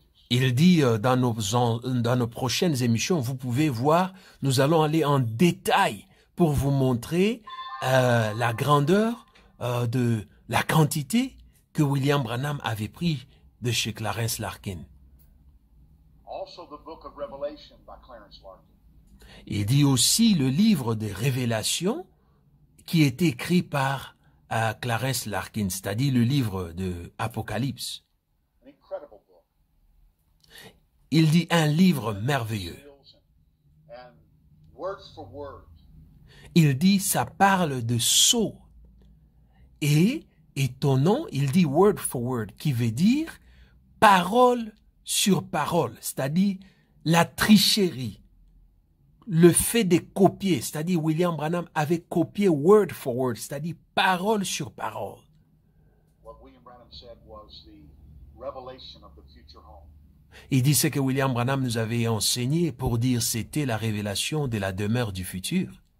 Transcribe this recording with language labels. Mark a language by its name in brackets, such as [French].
[French] Il dit dans nos prochaines émissions, vous pouvez voir, nous allons aller en détail pour vous montrer la grandeur de la quantité que William Branham avait pris de chez Clarence Larkin. [English] Also the book of Revelation by Clarence Larkin. [French] Il dit aussi le livre des Révélations qui est écrit par Clarence Larkin, c'est-à-dire le livre de Apocalypse. [English] An incredible book. [French] Il dit un livre merveilleux. [English] And word for word. [French] Il dit ça parle de sceaux et étonnant, il dit [English] word for word, [French] qui veut dire parole sur parole, c'est-à-dire la tricherie. Le fait de copier, c'est-à-dire William Branham avait copié [English] word for word, [French] c'est-à-dire parole sur parole. [English] What William Branham said was the revelation of the future home. [French] Il dit ce que William Branham nous avait enseigné pour dire c'était la révélation de la demeure du futur.